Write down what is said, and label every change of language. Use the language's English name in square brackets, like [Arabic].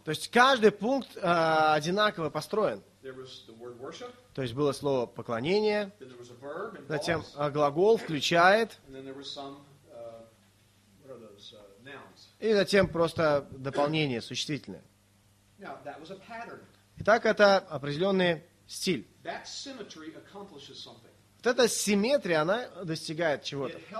[Russian] То есть каждый пункт одинаково построен. [English] There was the word worship. [Russian] То есть было слово поклонение. [English] Then there was a verb involved. [Russian] Затем глагол включает. [English] And then there was some, what are those, nouns. [Russian] И затем просто дополнение, существительное. [English] Now, that was a pattern. [Russian] Итак, это определенный стиль. [English] That symmetry accomplishes something. [Russian] Вот эта симметрия, она достигает чего-то.